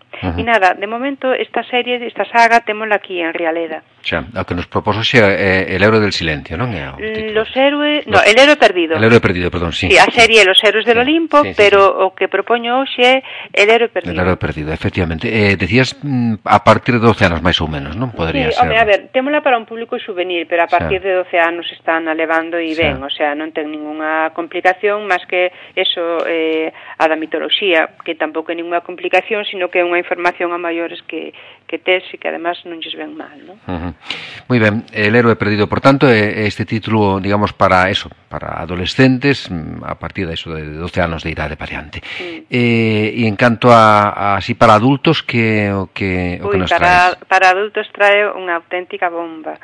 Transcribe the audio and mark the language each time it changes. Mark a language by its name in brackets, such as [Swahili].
[Galician] Uh-huh. E nada, de momento, esta serie, esta saga, témola aquí en Rialeda. Xa, o que nos proposo xa El Héroe del Silencio, non é o título? El Héroe Perdido. [Spanish] El Héroe Perdido, perdón, sí. [Galician] A serie Los Héroes del Olimpo, sí, pero sí. O que propoño hoxe é El Héroe Perdido. [Spanish] El Héroe Perdido, efectivamente. [Galician] Decías a partir de 12 anos, máis ou menos, non? [Spanish] Podría [Galician] sí, home, a ver, témola para un público juvenil, pero a partir de 12 anos están elevando e ben, o sea, non ten ninguna complicación, máis que eso a da mitoloxía, que tampouco é ninguna complicación, sino que é unha información a maiores que tes e que además non lles ven mal, non? Uh-huh. [Spanish] Muy bien, El Héroe Perdido, por tanto, este título, digamos, para eso, para adolescentes, a partir de eso, de 12 años de edad de variante. Y en cuanto a así para adultos, ¿qué nos trae? Para adultos trae una auténtica bomba.